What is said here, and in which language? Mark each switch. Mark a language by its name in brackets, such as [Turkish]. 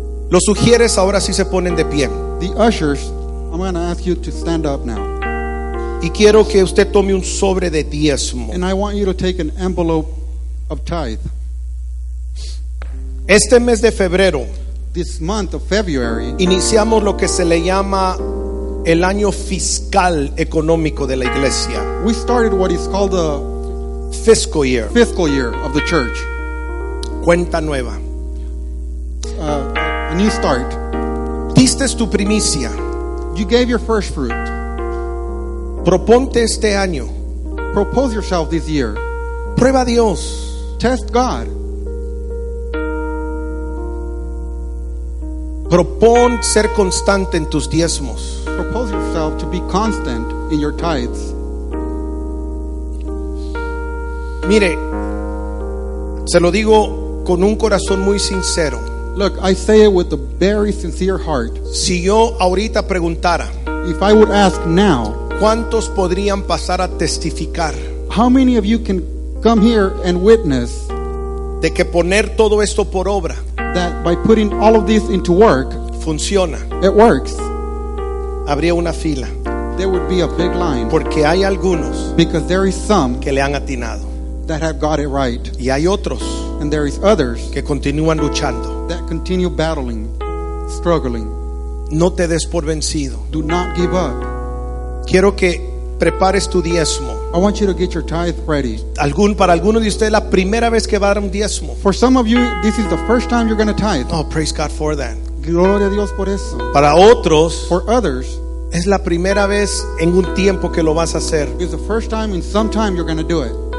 [Spanish] Los sugieres ahora sí se ponen de pie. [English] The ushers, I'm going to ask you to stand up now. [Spanish] Y quiero que usted tome un sobre de diezmo. [English] And I want you to take an envelope of tithe. [Spanish] Este mes de febrero, [English] this month of February, [Spanish] iniciamos lo que se le llama el año fiscal económico de la iglesia. [English] We started what is called the fiscal year of the church. [Spanish] Cuenta nueva. [English] A new start. [Spanish] Diste tu primicia. [English] You gave your first fruit. [Spanish] Proponte este año. [English] Propose yourself this year. [Spanish] Prueba a Dios. [English] Test God. [Spanish] Propon ser constante en tus diezmos. [English] Propose yourself to be constant in your tithes. [Spanish] Mire, se lo digo con un corazón muy sincero. [English] Look, I say it with a very sincere heart. [Spanish] Si yo ahorita preguntara, [English] if I would ask now, [Spanish] ¿cuántos podrían pasar a testificar? [English] How many of you can come here and witness? [Spanish] De que poner todo esto por obra, [English] that by putting all of this into work, [Spanish] funciona. [English] It works. [Spanish] Habría una fila. [English] There would be a big line. [Spanish] Porque hay algunos, [English] because there is some, [Spanish] que le han atinado, [English] that have got it right. [Spanish] Y hay otros, [English] and there is others, [Spanish] que continúan luchando, [English] that continue battling, struggling. [Spanish] No te des por vencido. [English] Do not give up. [Spanish] Quiero que prepares tu diezmo. [English] I want you to get your tithe ready. [Spanish] Para alguno de ustedes la primera vez que va a dar un diezmo. [English] For some of you, this is the first time you're going to tithe. Oh, praise God for that. [Spanish] Gloria a Dios por eso. Para otros, [English] for others, [Spanish] es la primera vez en un tiempo que lo vas a hacer. [English] It's the first time in some time you're going to do it.